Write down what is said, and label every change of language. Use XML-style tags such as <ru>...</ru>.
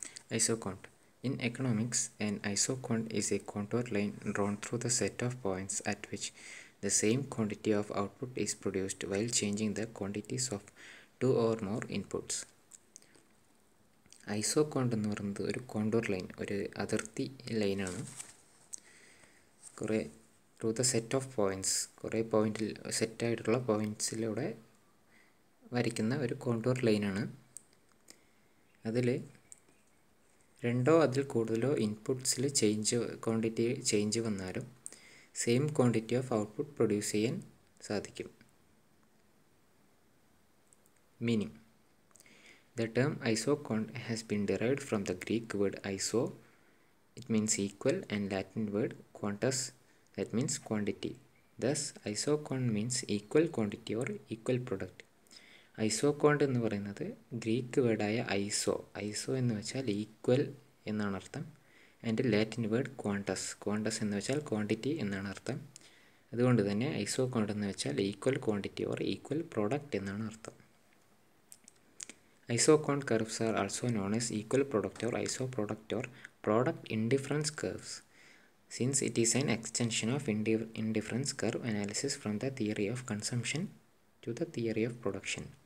<en>ISOQUANT. In economics, an ISOQUANT is a contour line drawn through the set of points at which the same quantity of output is produced while changing the quantities of two or more inputs.</en> <ml>ഐസോക്കോണ്ട് എന്ന് പറയുന്നത് ഒരു contour line, ഒരു അതിർത്തി ലൈനാണ്. കുറേ</ml> <en>through the set of points,</en> <ml>കുറേ പോയിൻ്റിൽ സെറ്റായിട്ടുള്ള പോയിൻറ്റ്സിലൂടെ വരയ്ക്കുന്ന ഒരു കോണ്ടൂർ ലൈനാണ്. അതിൽ രണ്ടോ അതിൽ കൂടുതലോ ഇൻപുട്സിൽ ചേഞ്ച്, ക്വാണ്ടിറ്റി ചേഞ്ച് വന്നാലും</ml> <en>same quantity of output</en> <ml>produce ചെയ്യാൻ സാധിക്കും.</ml> <en>Meaning: the term isoquant has been derived from the Greek word iso, it means equal, and Latin word quantus, that means quantity. Thus, isoquant means equal quantity or equal product.</en> <ml>Isoquant എന്ന് പറയുന്നത് Greek വേർഡായ ഐസോ, ഐസോ എന്ന് വെച്ചാൽ equal എന്നാണ് അർത്ഥം.</ml> <en>and Latin word</en> <ml>Qantas, Qantas എന്ന് വെച്ചാൽ quantity എന്നാണ് അർത്ഥം. അതുകൊണ്ട് തന്നെ ഐസോക്വാണ്ട് എന്ന് വെച്ചാൽ</ml> <en>equal quantity or equal product</en> <ml>എന്നാണ് അർത്ഥം.</ml> <en>ISOQUANT curves are also known as equal product or isoproduct or product indifference curves, since it is an extension of indifference curve analysis from the theory of consumption to the theory of production.</en>